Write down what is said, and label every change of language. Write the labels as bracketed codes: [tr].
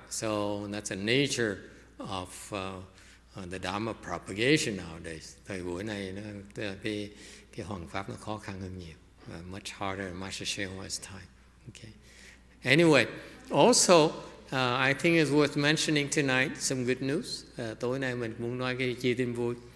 [en] So that's the nature of the Dharma propagation nowadays. [vi] Thời buổi này nó cái hoằng pháp nó khó khăn hơn nhiều. [en] Much harder in Master Shehua's time. Okay. Anyway, also I think it's worth mentioning tonight some good news. [vi] Tối nay mình muốn nói cái chi tin vui.